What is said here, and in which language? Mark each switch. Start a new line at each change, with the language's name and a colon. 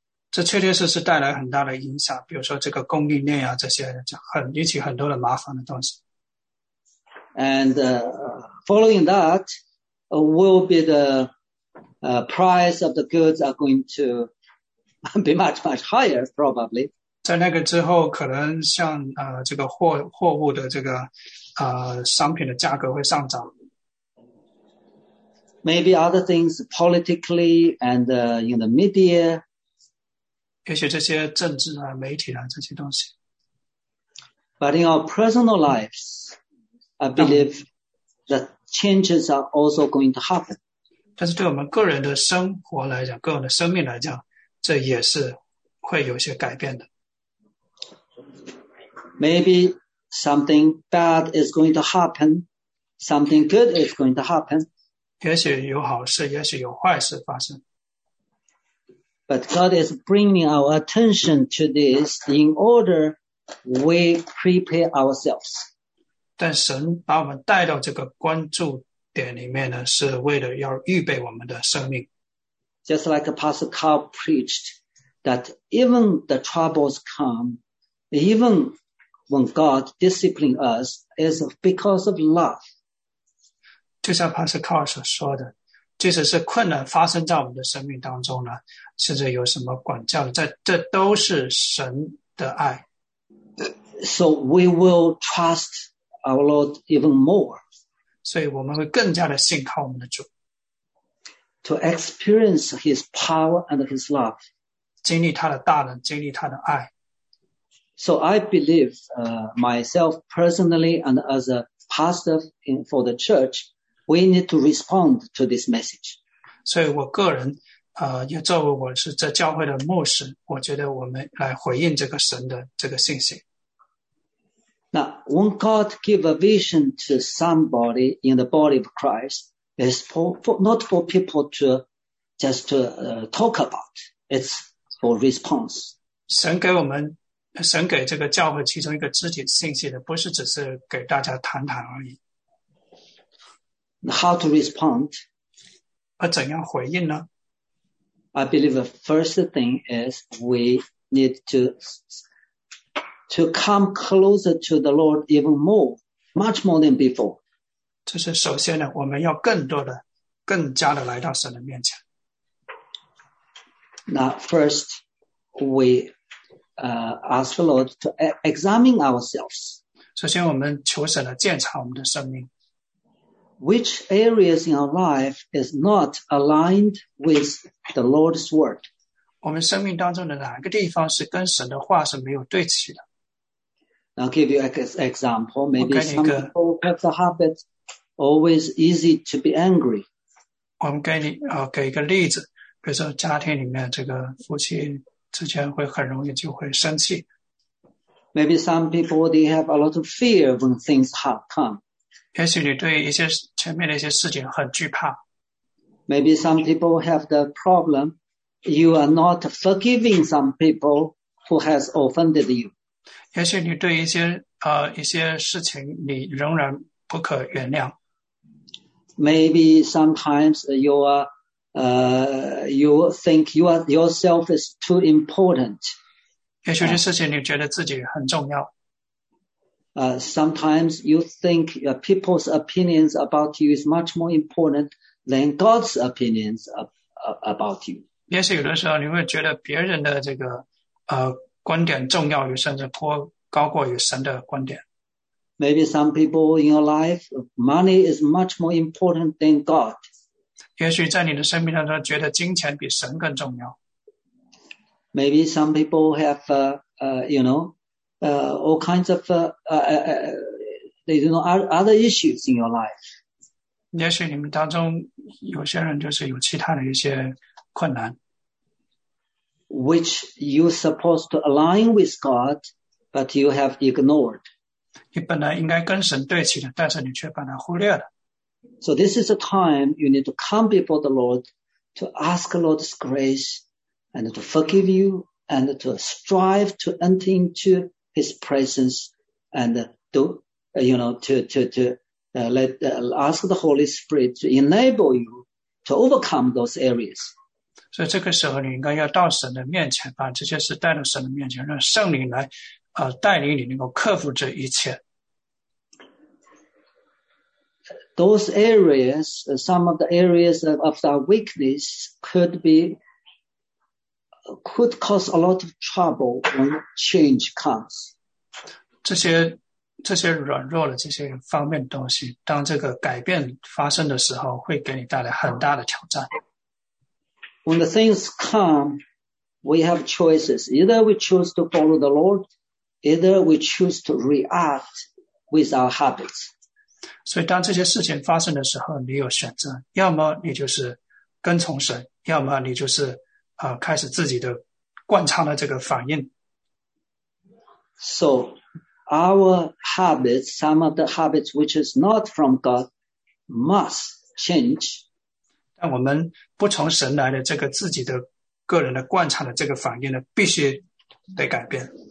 Chinese: 这确实是带来很大的影响，比如说这个供应链啊，这些很引起很多的麻烦的东西。
English: And following that, will be the price of the goods are going to be much, much higher probably.
Chinese: 在那个之后可能像这个货物的这个商品的价格会上涨。
English: Maybe other things politically and in the media.
Chinese: 也许这些政治啊媒体啊这些东西。
English: But in our personal lives, I believe that changes are also going to happen.
Chinese: 但是对我们个人的生活来讲，个人的生命来讲，这也是会有些改变的。
English: Maybe something bad is going to happen, something good is going to happen.
Chinese: 也许有好事，也许有坏事发生。
English: But God is bringing our attention to this in order we prepare ourselves.
Chinese: 但神把我们带到这个关注点里面呢，是为了要预备我们的生命。
English: Just like Pastor Carl preached, that even the troubles come, even when God disciplines us, is because of love.
Chinese: 就像 Pastor Carl 所说的，即使是困难发生在我们的生命当中呢，甚至有什么管教，这都是神的爱。
English: So we will trust our Lord even more.
Chinese: 所以我们会更加的信靠我们的主。
English: To experience His power and His love.
Chinese: 经历他的大能，经历他的爱。
English: So I believe, myself personally and as a pastor for the church, we need to respond to this message.
Chinese: 所以我个人，也作为我是这教会的牧师，我觉得我们来回应这个神的这个信息。
English: Now, when God gives a vision to somebody in the body of Christ, it's not for people to just to, talk about, it's for response.
Chinese: 神给我们，神给这个教会其中一个肢体信息的，不是只是给大家谈谈而已。
English: How to respond?
Chinese: 而怎样回应呢？
English: I believe the first thing is we need to come closer to the Lord even more, much more than before.
Chinese: 这是首先呢，我们要更多的、更加的来到神的面前。
English: Now, first, we, ask the Lord to examine ourselves.
Chinese: 首先我们求神来检查我们的生命。
English: Which areas in our life is not aligned with the Lord's word?
Chinese: 我们生命当中的哪个地方是跟神的话是没有对齐的？
English: I'll give you an example. Maybe some people have the habit always easy to be angry.
Chinese: 我们给你给一个例子，比如说家庭里面这个夫妻之间会很容易就会生气。
English: Maybe some people they have a lot of fear when things have come.
Chinese: 也许你对一些前面的一些事情很惧怕。
English: Maybe some people have the problem you are not forgiving some people who has offended you.
Chinese: 也许你对一些事情你仍然不可原谅。
English: Maybe sometimes you are, you think you are yourself is too important.
Chinese: 也许这事情你觉得自己很重要。
English: Sometimes you think people's opinions about you is much more important than God's opinions about you.
Chinese: 也许有的时候你会觉得别人的这个观点重要于甚至高过于神的观点。
English: Maybe some people in your life, money is much more important than God.
Chinese: 也许在你的生命当中觉得金钱比神更重要。
English: Maybe some people have, you know, all kinds of, they don't know other issues in your life.
Chinese: 也许你们当中有些人就是有其他的一些困难。
English: Which you're supposed to align with God, but you have ignored.
Chinese: 你本来应该跟神对齐的，但是你却把它忽略了。
English: So this is a time you need to come before the Lord to ask the Lord's grace and to forgive you and to strive to enter into His presence and do, you know, to let, ask the Holy Spirit to enable you to overcome those areas.
Chinese: 所以这个时候你应该要到神的面前，把这些事带到神的面前，让圣灵来带领你能够克服这一切。
English: Those areas, some of the areas of our weakness could cause a lot of trouble when change comes.
Chinese: 这些软弱的这些方面的东西，当这个改变发生的时候，会给你带来很大的挑战。
English: When the things come, we have choices. Either we choose to follow the Lord, either we choose to react with our habits.
Chinese: 所以当这些事情发生的时候，你有选择，要么你就是跟从神，要么你就是开始自己的惯常的这个反应。
English: So our habits, some of the habits which is not from God, must change.
Chinese: 但我们不从神来的这个自己的个人的惯常的这个反应呢，必须得改变。